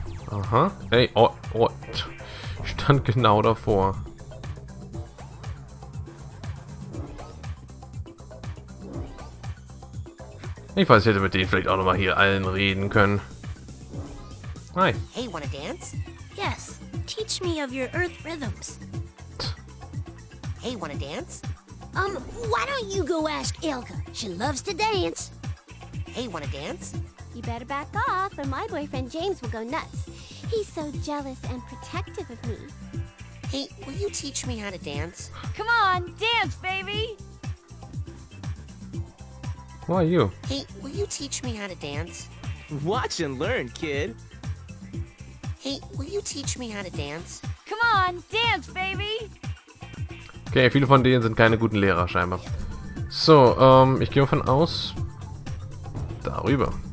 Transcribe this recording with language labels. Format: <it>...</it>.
<de>Aha. Ey, oh, oh. Ich stand genau davor. Ich weiß, ich hätte mit denen vielleicht auch nochmal hier allen reden können.</de> <en>Hi. Hey, wanna dance? Yes. Teach me of your earth rhythms. Hey, wanna dance? Why don't you go ask Ilka? She loves to dance. Hey, wanna dance? You better back off, or my boyfriend James will go nuts. He's so jealous and protective of me. Hey, will you teach me how to dance? Come on, dance, baby! Who are you? Hey, will you teach me how to dance? Watch and learn, kid. Hey, will you teach me how to dance? Come on, dance, baby!</en> <de>Okay, viele von denen sind keine guten Lehrer, scheinbar. So, ich gehe davon aus, darüber.</de>